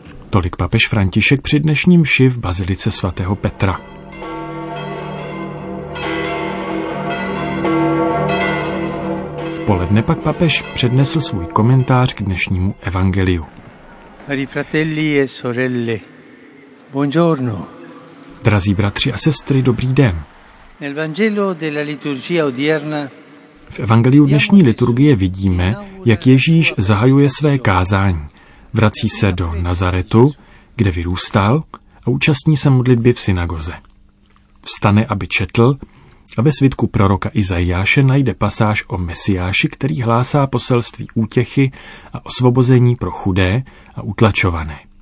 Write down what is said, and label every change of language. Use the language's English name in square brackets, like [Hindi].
[Czech] Tolik papež František při dnešním mši v bazilice svatého Petra. V poledne pak papež přednesl svůj komentář k dnešnímu evangeliu. [Italian] Cari fratelli e sorelle, buongiorno. [Czech] Drazí bratři a sestry, dobrý den. [Italian] Nel vangelo della liturgia odierna. [Czech] V evangeliu dnešní liturgie vidíme, jak Ježíš zahajuje své kázání. Vrací se do Nazaretu, kde vyrůstal, a účastní se modlitby v synagoze. Vstane, aby četl, a ve svitku proroka Izajáše najde pasáž o Mesiáši, který hlásá poselství útěchy a osvobození pro chudé a utlačované.